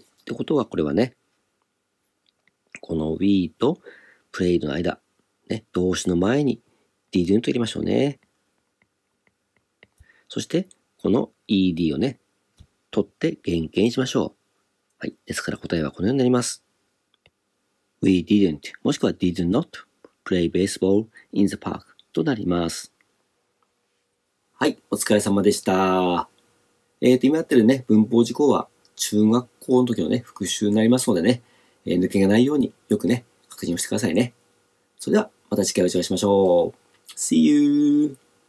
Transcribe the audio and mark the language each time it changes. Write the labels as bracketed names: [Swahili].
[Japanese] ってことは、これはね、この we と played の間、ね、動詞の前に didn't と入れましょうね。そして、この ed をね、取って原形にしましょう。はい。ですから答えはこのようになります。 [English] We didn't, [Japanese] もしくは [English] did not play baseball in the park [Japanese] となります。はい。お疲れ様でした。今やってるね、文法事項は中学校の時のね、復習になりますのでね、抜けがないようによくね、確認をしてくださいね。それでは、また次回お会いしましょう。 [English] See you!